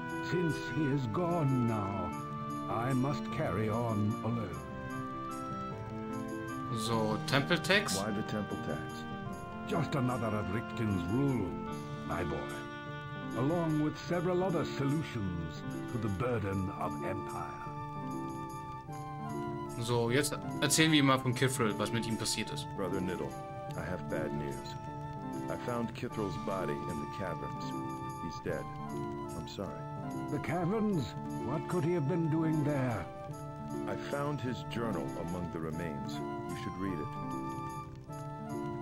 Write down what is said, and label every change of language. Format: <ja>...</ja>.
<en>Since he is gone now, I must carry on alone. So, temple tax? Why the temple tax? Just another of Richten's rules, my boy. Along with several other solutions to the burden of empire.</en> <de>So, jetzt erzählen wir mal von Kithral, was mit ihm passiert ist.</de> <en>Brother Niddle, I have bad news. I found Kithral's body in the caverns. He's dead. I'm sorry. The caverns? What could he have been doing there? I found his journal among the remains. You should read it.</en>